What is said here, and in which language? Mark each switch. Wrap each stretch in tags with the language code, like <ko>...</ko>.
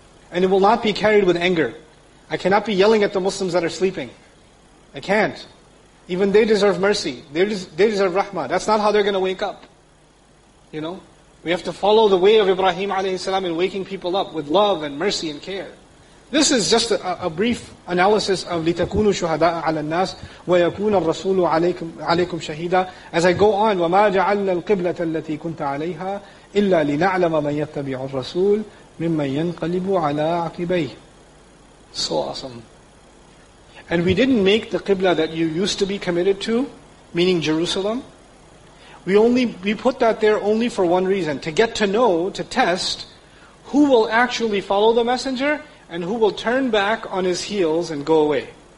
<en>And it will not be carried with anger. I cannot be yelling at the Muslims that are sleeping. I can't. Even they deserve mercy. They deserve rahmah. That's not how they're going to wake up. We have to follow the way of Ibrahim alayhi salam in waking people up with love and mercy and care. This is just a brief analysis of</en> <ar>لِتَكُونُوا شُهَدَاءَ عَلَى النَّاسِ وَيَكُونَ الرَّسُولُ عَلَيْكُمْ شَهِيدًا.</ar> <en>As I go on,</en> <ar>وَمَا جَعَلْنَا الْقِبْلَةَ الَّتِي كُنْتَ عَلَيْهَا إِلَّا لِنَعْلَمَ مَنْ يَتَّبِعُ الرَّسُولُ مِمَّنْ يَنْقَلِبُ عَلَىٰ عَقِبَيْهِ.</ar> <en>So awesome. And we didn't make the qibla that you used to be committed to, meaning Jerusalem. We put that there only for one reason, to get to know, to test, who will actually follow the messenger, and who will turn back on his heels and go away.</en>